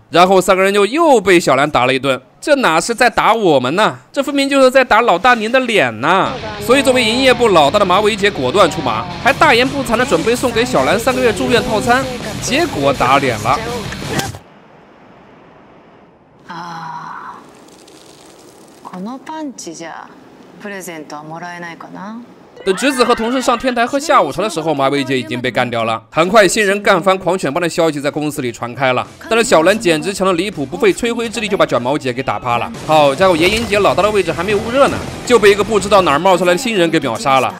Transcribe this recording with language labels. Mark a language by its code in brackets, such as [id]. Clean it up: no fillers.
[zh] 然后三个人就又被小兰打了一顿，这哪是在打我们呢，这分明就是在打老大您的脸呐。所以作为营业部老大的马尾姐果断出马，还大言不惭地准备送给小兰3个月住院套餐，结果打脸了。 [ja] このパンチじゃプレゼントはもらえないかな。 [zh] 等直子和同事上天台喝下午茶的时候，马尾姐已经被干掉了。很快，新人干翻狂犬帮的消息在公司里传开了。但是小兰简直强得离谱，不费吹灰之力就把卷毛姐给打趴了。好家伙，眼影姐老大的位置还没捂热呢，就被一个不知道哪儿冒出来的新人给秒杀了。